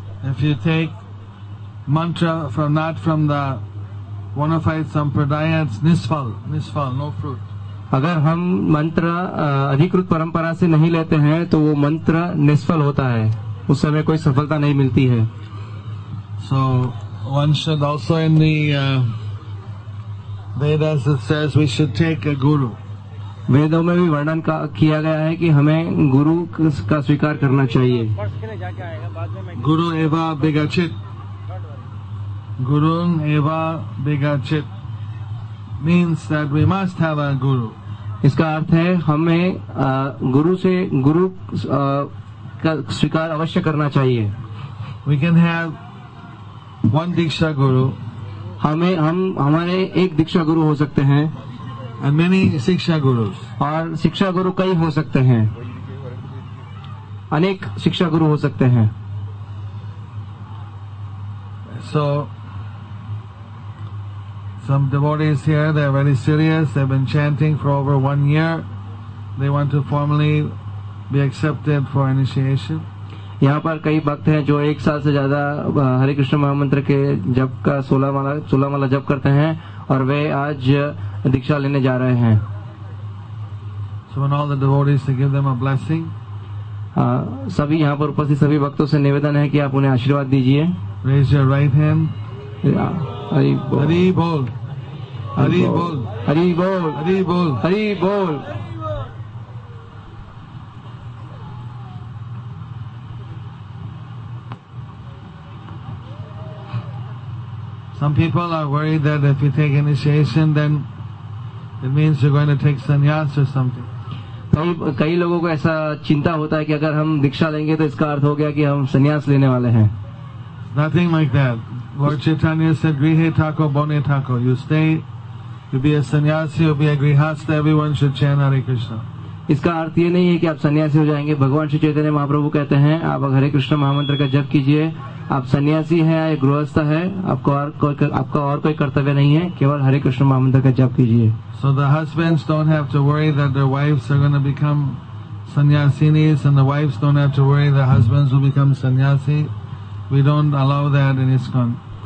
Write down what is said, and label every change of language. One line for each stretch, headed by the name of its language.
English: If you take mantra from not from the bona fide sampradaya, it's nisfal, nisfal, no fruit.
Hindi: अगर हम मंत्र अधिकृत परंपरा से नहीं लेते हैं तो वो मंत्र निष्फल होता है, उस समय कोई सफलता नहीं मिलती है.
English: So one should also in the Vedas it says we should take a guru.
Hindi: वेदों में भी वर्णन किया गया है कि हमें गुरु का स्वीकार करना चाहिए.
Sanskrit: गुरु एवा बिगचित, गुरु एवा बिगचित
English: means that we must have a guru.
Hindi: इसका अर्थ है हमें गुरु से गुरु का स्वीकार अवश्य करना चाहिए.
English: We can have one diksha guru.
Hindi: हमें हमारे एक दीक्षा गुरु हो सकते हैं.
English: And many शिक्षा गुरु.
Hindi: और शिक्षा गुरु कई हो सकते हैं, अनेक शिक्षा गुरु हो सकते हैं.
English: So some devotees here, they are very serious. They've been chanting for over one year. They want to formally be accepted for initiation.
Hindi: यहाँ पर कई भक्त हैं जो एक साल से ज्यादा हरे कृष्ण महामंत्र के जप का सोलह माला जप करते हैं और वे आज दीक्षा लेने जा रहे हैं.
English: So when all the devotees to give them a blessing.
Hindi: सभी यहाँ पर उपस्थित सभी भक्तों से निवेदन है कि आप उन्हें आशीर्वाद दीजिए.
English: Raise your right hand.
Hindi: हरी बोल, हरी बोल, हरी बोल, हरी बोल, हरी बोल, हरी बोल.
English: Some people are worried that if you take initiation, then it means you're going to take sannyas or something.
Hindi: तो कई लोगों को ऐसा चिंता होता है कि अगर हम दीक्षा लेंगे तो इसका अर्थ हो गया कि हम संन्यास लेने वाले हैं.
English: Nothing like that. Lord Chaitanya said,
Bangla: "Grihe thako, bone thako.
English: You stay, you be a sannyasi, you be a grihastha. Everyone should chant Hare Krishna."
Hindi: इसका अर्थ ये नहीं है कि आप सन्यासी हो जाएंगे. भगवान श्री चैतन्य महाप्रभु कहते हैं आप हरे कृष्ण महामंत्र का जप कीजिए. आप सन्यासी हैं या गृहस्थ है आपका और कोई कर्तव्य नहीं है, केवल हरे कृष्ण महामंत्र का जप कीजिए.
English: So the husbands don't have to worry that their wives are going to become sannyasinis, and the wives don't have to worry that husbands will become sannyasi. We don't allow that in ISKCON.